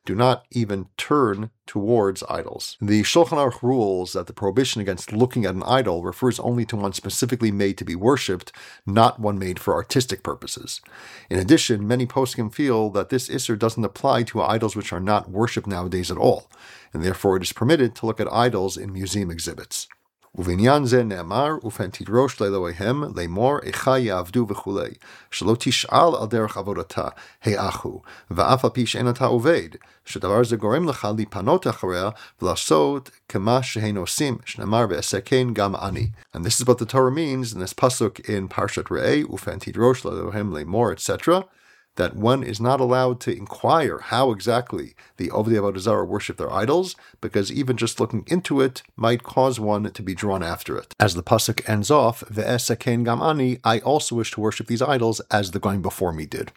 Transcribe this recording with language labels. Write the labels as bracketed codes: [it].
[en] Do not even turn towards idols. The Shulchan Aruch rules that the prohibition against looking at an idol refers only to one specifically made to be worshipped, not one made for artistic purposes. In addition, many poskim feel that this isser doesn't apply to idols which are not worshipped nowadays at all, and therefore it is permitted to look at idols in museum exhibits. [he] ובניין זה נאמר, ופן תדרוש לאלוהיהם, לאמור, איכה יעבדו וכו', שלא תשאל על דרך עבודתה, האחו, ואף על פי שאין אתה עובד, שדבר זה גורם לך להיפנות אחריה, ולעשות כמה שהן עושים, שנאמר, ועשה כן גם אני. [en] And this is what the Torah means in this pasuk in Parshat Re'eh, [he] ופן תדרוש לאלוהיהם, לאמור, [en] etc., that one is not allowed to inquire how exactly the Ovdei Avodah Zarah worship their idols, because even just looking into it might cause one to be drawn after it. As the pasuk ends off, [he] Ve'esaken gam ani, [en] I also wish to worship these idols as the going before me did.